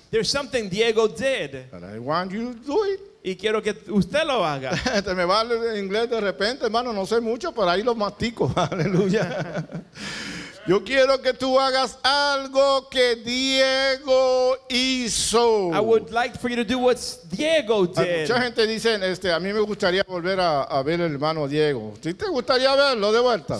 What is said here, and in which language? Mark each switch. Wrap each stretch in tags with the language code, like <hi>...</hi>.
<en>there's something Diego did and I want you to do it</en> <es>y quiero que usted lo haga te me va el inglés de repente hermano no sé mucho pero ahí lo mastico aleluya yo quiero que tú hagas algo que Diego hizo</es> <en>I would like for you to do what Diego did</en> <es>a mucha gente dice a mí me gustaría volver a ver el hermano Diego si ¿Sí te gustaría verlo de vuelta</es>